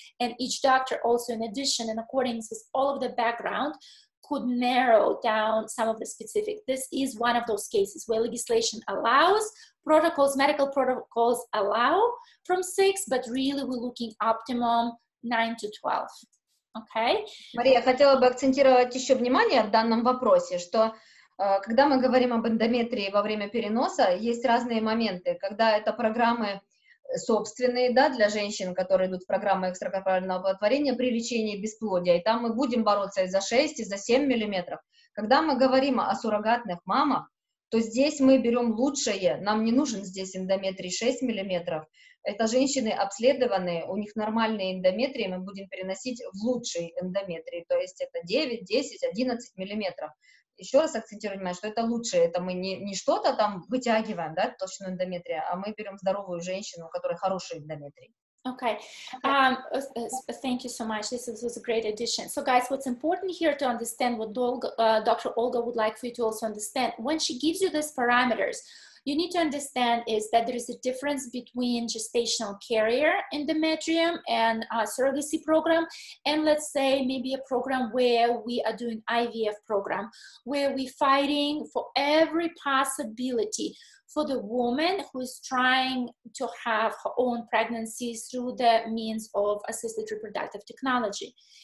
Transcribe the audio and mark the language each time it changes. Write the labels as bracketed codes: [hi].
[en] And each doctor also, in addition, in accordance with all of the background, could narrow down some of the specific. This is one of those cases where legislation allows protocols, medical protocols allow from 6, but really we're looking optimum 9 to 12. Okay. [ru] Мария, хотела бы акцентировать еще внимание в данном вопросе, что когда мы говорим об эндометрии во время переноса, есть разные моменты, когда это программы собственные, да, для женщин, которые идут в программы экстракорпорального оплодотворения при лечении бесплодия, и там мы будем бороться и за 6, и за 7 миллиметров. Когда мы говорим о суррогатных мамах, то здесь мы берем лучшее, нам не нужен здесь эндометрий 6 миллиметров. Это женщины обследованные, у них нормальные эндометрии, мы будем переносить в лучшие эндометрии, то есть это 9, 10, 11 миллиметров. Еще раз акцентирую внимание, что это лучшее, это мы не что-то там вытягиваем, да, толщину эндометрия, а мы берем здоровую женщину, у которой хороший эндометрий. [en] Okay. Thank you so much. This was a great addition. So, guys, what's important here to understand what Dr. Olga would like for you to also understand, when she gives you these parameters, you need to understand is that there is a difference between gestational carrier endometrium and a surrogacy program, and let's say maybe a program where we are doing IVF program, where we're fighting for every possibility for the woman who is trying to have her own pregnancies through the means of assisted reproductive technology.